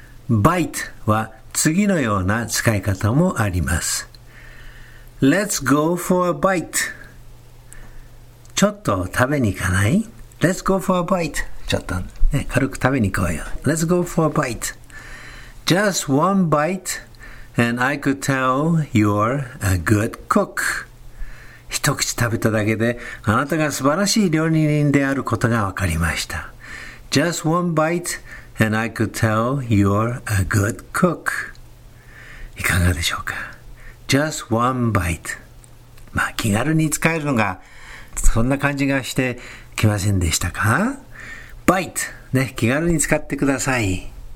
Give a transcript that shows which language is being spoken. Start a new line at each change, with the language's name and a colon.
Japanese: バイトは次のような使い方もあります。
English: Let's go for a bite.
Japanese: ちょっと食べに行かない？
English: Let's go for a bite.
Japanese: ちょっと、ね、軽く食べに行こうよ。
English: Let's go for a bite. Just one bite and I could tell you're a good cook.
Japanese: 一口食べただけであなたが素晴らしい料理人であることがわかりました。
English: Just one bite and I could tell you're a good cook.
Japanese: いかがでしょうか？
English: Just one bite.
Japanese: まあ気軽に使えるのがそんな感じがしてきませんでしたか？ Bite ね、気軽に使ってください。